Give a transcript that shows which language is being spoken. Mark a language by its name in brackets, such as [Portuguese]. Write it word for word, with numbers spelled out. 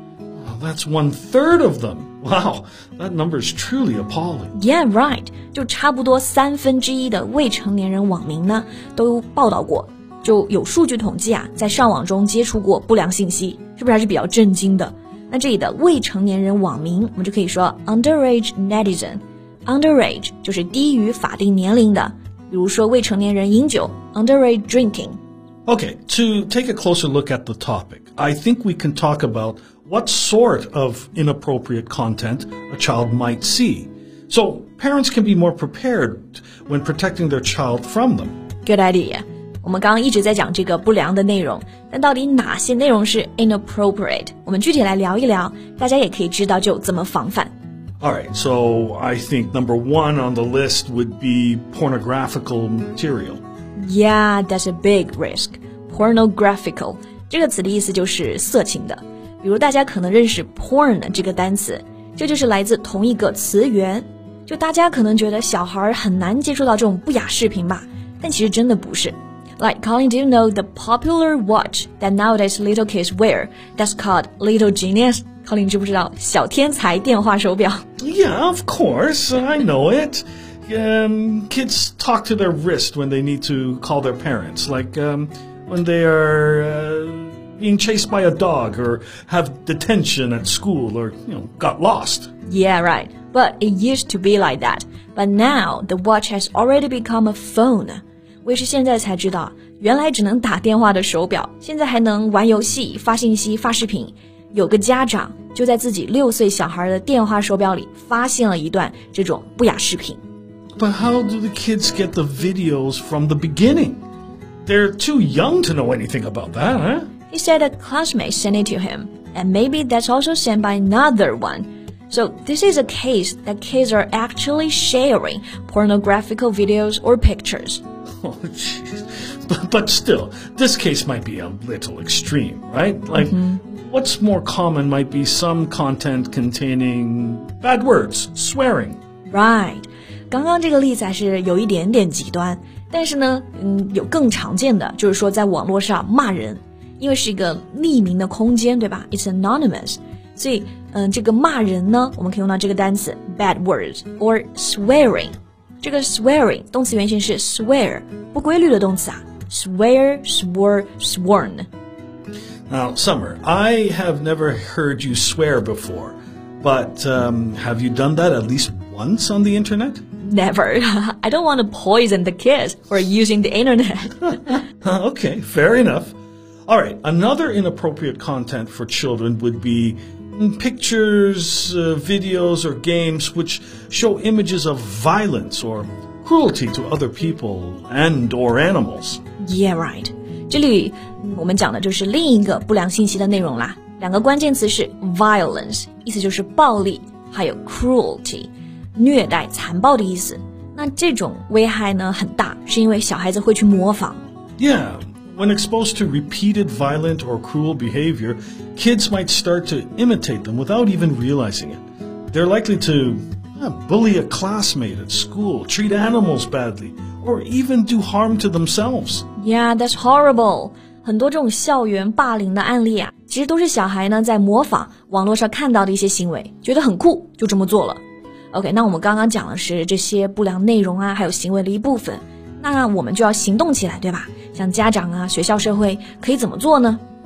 [English] Well, that's one third of them. Wow, that number is truly appalling. Yeah, right. [Chinese] 就差不多三分之一的未成年人网民呢，都报道过，就有数据统计啊，在上网中接触过不良信息，是不是还是比较震惊的？那这里的未成年人网民，我们就可以说 [English] underage netizen。 [Chinese] Underage 就是低于法定年龄的，比如说未成年人饮酒 [English] underage drinking. Okay, to take a closer look at the topic, I think we can talk about what sort of inappropriate content a child might see. So parents can be more prepared when protecting their child from them. Good idea. [Chinese] 我们刚刚一直在讲这个不良的内容，但到底哪些内容是 inappropriate? 我们具体来聊一聊，大家也可以知道就怎么防范。 [English] All right, so I think number one on the list would be pornographical material. Yeah, that's a big risk. [Chinese] Pornographical 这个词的意思就是色情的，比如大家可能认识 porn 这个单词，这就是来自同一个词源。就大家可能觉得小孩很难接触到这种不雅视频吧，但其实真的不是。 [English] Like, Colin, do you know the popular watch that nowadays little kids wear? That's called Little Genius. [Chinese] Colin, 知不知道小天才电话手表 [English] Yeah, of course, I know it. Um, kids talk to their wrist when they need to call their parents, like um, when they are uh, being chased by a dog or have detention at school or, you know, got lost. Yeah, right. But it used to be like that. But now the watch has already become a phone. [Chinese] 我也是现在才知道，原来只能打电话的手表，现在还能玩游戏、发信息、发视频。有个家长就在自己六岁小孩的电话手表里发现了一段这种不雅视频。 [English] But how do the kids get the videos from the beginning? They're too young to know anything about that, huh? He said a classmate sent it to him, and maybe that's also sent by another one. So this is a case that kids are actually sharing pornographic videos or pictures. Oh, jeez. But, but still, this case might be a little extreme, right? Like. Mm-hmm. What's more common might be some content containing bad words, swearing. Right. [Chinese] 刚刚这个例子还是有一点点极端，但是呢，嗯，有更常见的就是说在网络上骂人，因为是一个匿名的空间，对吧？ [English] It's anonymous. [Chinese] 所以，嗯，这个骂人呢，我们可以用到这个单词 [English] bad words or swearing. [Chinese] 这个 swearing 动词原型是 swear， 不规律的动词啊 ， [English] swear, swore, sworn. Now, Summer, I have never heard you swear before, but um, have you done that at least once on the internet? Never. I don't want to poison the kids for using the internet. Okay, fair enough. All right, another inappropriate content for children would be pictures, uh, videos, or games which show images of violence or cruelty to other people and or animals. Yeah, right. [Chinese] 这里我们讲的就是另一个不良信息的内容啦。两个关键词是 violence， 意思就是暴力，还有 cruelty， 虐待、残暴的意思。那这种危害呢很大，是因为小孩子会去模仿。 [English] Yeah, when exposed to repeated violent or cruel behavior, kids might start to imitate them without even realizing it. They're likely to uh, bully a classmate at school, treat animals badly. Or even do harm to themselves. Yeah, that's horrible. [Chinese] 很多这种校园霸凌的案例啊，其实都是小孩呢在模仿网络上看到的一些行为，觉得很酷，就这么做了。 OK, 那我们刚刚讲的是这些不良内容啊，还有行为的一部分。那我们就要行动起来，对吧？像家长啊，学校、社会可以怎么做呢？